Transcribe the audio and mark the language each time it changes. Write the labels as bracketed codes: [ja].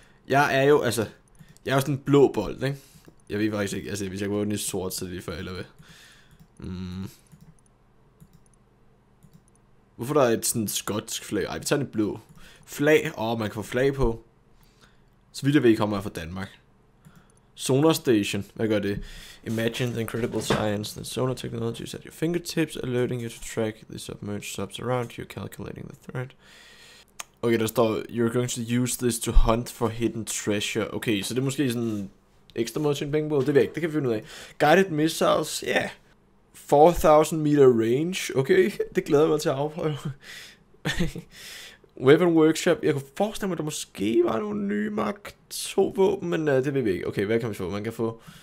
[da] Jeg er jo, altså, jeg er jo sådan en blå bold, ikke? Jeg ved faktisk ikke, altså, hvis jeg kunne åbne i sort, så er det lige for eller hvad. Hvorfor der er et sådan skotsk flag? Ej, vi tager en blå. Flag, åh, man kan få flag på. Så vidt jeg ved, kommer jeg fra Danmark. Sonar Station, hvad gør det? [en] Imagine the incredible science that sonar technology is at your fingertips, alerting you to track the submerged subs around you, calculating the threat. [da] Okay, der står, [en] you're going to use this to hunt for hidden treasure. [da] Okay, så det er måske sådan ekstra måde at tjene penge på. Det ved jeg ikke, det kan vi finde ud af. [en] Guided missiles, [da] ja. [en] Yeah. 4000 meter range, okay. [da] Det glæder jeg mig til at afprøve. Weapon workshop, jeg kunne forestille mig, at der måske var nogle nye Mark 2 våben, men det ved vi ikke. Okay, hvad kan vi få? Man kan få...